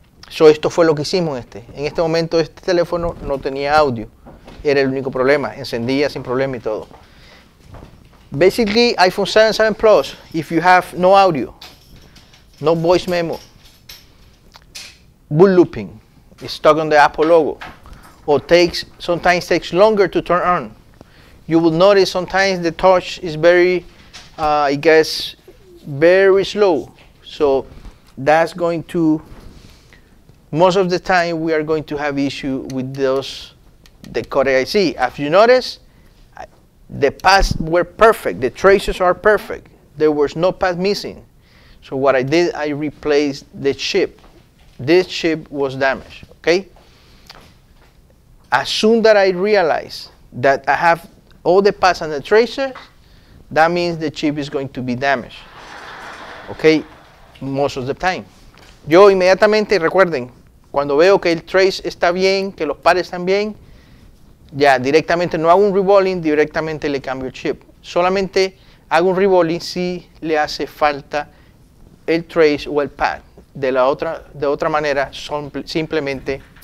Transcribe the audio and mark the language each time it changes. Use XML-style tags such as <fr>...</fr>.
<es>So esto fue lo que hicimos en este momento. Este teléfono no tenía audio, era el único problema, encendía sin problema y todo.</es> <en>Basically, iPhone 7, 7 Plus, if you have no audio, no voice memo, boot looping, it's stuck on the Apple logo, or sometimes takes longer to turn on, you will notice sometimes the touch is very, very slow. So that's going to, most of the time, we are going to have issue with the codec IC. As you notice, the paths were perfect. The traces are perfect. There was no path missing. So what I did, I replaced the chip. This chip was damaged, okay? As soon that I realized that I have all the paths and the traces, that means the chip is going to be damaged, okay? Most of the time.</en> <es>Yo inmediatamente, recuerden, cuando veo que el trace está bien, que los pares están bien, ya, directamente no hago un revolving, directamente le cambio el chip. Solamente hago un revolving si le hace falta el trace o el pad. De otra manera, simplemente</es>